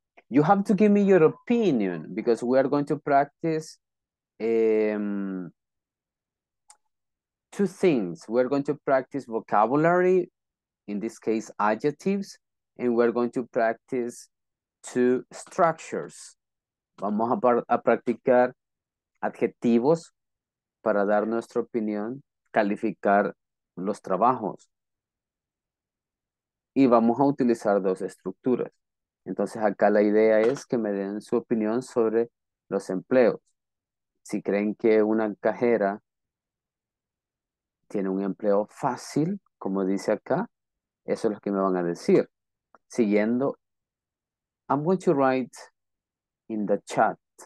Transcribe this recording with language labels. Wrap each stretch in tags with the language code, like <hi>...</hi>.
<en>You have to give me your opinion because we are going to practice two things. We're going to practice vocabulary, in this case, adjectives, and we're going to practice two structures.</en> <es>Vamos a practicar adjetivos para dar nuestra opinión, calificar los trabajos. Y vamos a utilizar dos estructuras. Entonces, acá la idea es que me den su opinión sobre los empleos. Si creen que una cajera tiene un empleo fácil, como dice acá, eso es lo que me van a decir. Siguiendo,</es> <en>I'm going to write in the chat.</en>